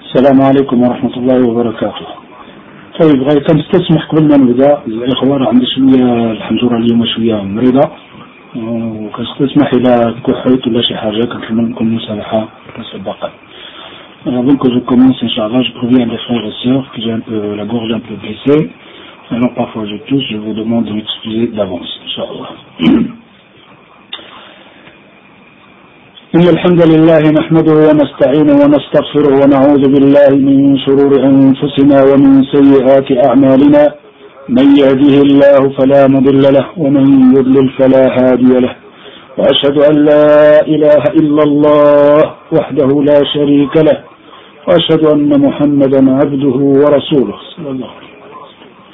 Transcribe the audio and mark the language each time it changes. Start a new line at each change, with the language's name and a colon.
Arabic: السلام عليكم ورحمة الله وبركاته. طيب غير كان تسمح قبلنا نبدأ الإخوة عندي شوية الحنجرة اليوم شوية مريضة وكان تسمح إلى كحيت ولا شي حاجة كنتمنى لكم مسامحة مسبقا.
French: Avant que je commence, Inch'Allah, je préviens les frères et sœurs que j'ai un peu la gorge un peu blessée. Alors parfois je tousse, je vous demande de m'excuser d'avance, Inch'Allah.
Arabic: إن الحمد لله نحمده ونستعينه ونستغفره ونعوذ بالله من شرور أنفسنا ومن سيئات أعمالنا. من يهده الله فلا مضل له ومن يضلل فلا هادي له. وأشهد أن لا إله إلا الله وحده لا شريك له وأشهد أن محمدا عبده ورسوله صلى الله عليه وسلم.